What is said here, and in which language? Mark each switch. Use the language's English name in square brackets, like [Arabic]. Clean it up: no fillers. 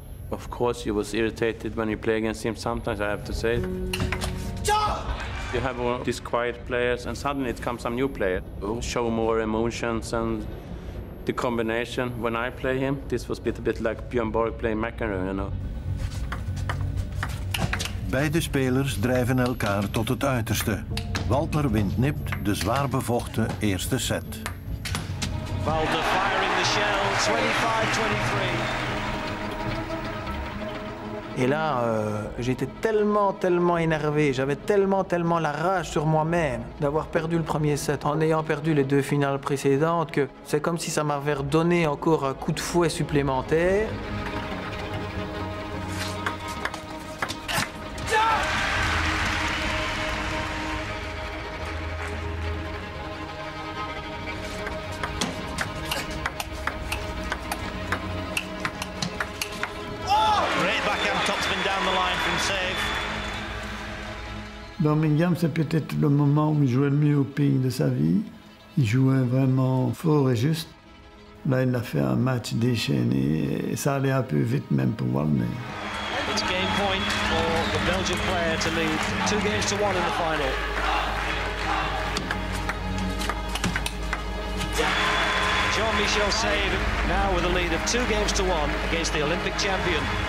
[English] Of course, he was irritated when you play against him sometimes, I have to say. You have all these quiet players and suddenly it comes some new player who show more emotions and the combination. When I play him, this was a bit like Björn Borg playing McEnroe, you know. [Dutch] Beide spelers drijven elkaar tot het uiterste. Wallner wint nipt de zwaar bevochten eerste set. [English] Wallner firing the shell, 25-23. [French] Et là, j'étais tellement énervé, j'avais tellement la rage sur moi-même d'avoir perdu le premier set en ayant perdu les deux finales précédentes que c'est comme si ça m'avait redonné encore un coup de fouet supplémentaire. Birmingham, c'est peut-être le moment où il jouait le mieux au ping de sa vie. Il jouait vraiment fort et juste. Là, il a fait un match déchaîné et ça allait un peu vite même pour Wallner. [English] It's game point for the Belgian player to lead 2-1 in the final. Jean-Michel Save now with a lead of 2-1 against the Olympic champion.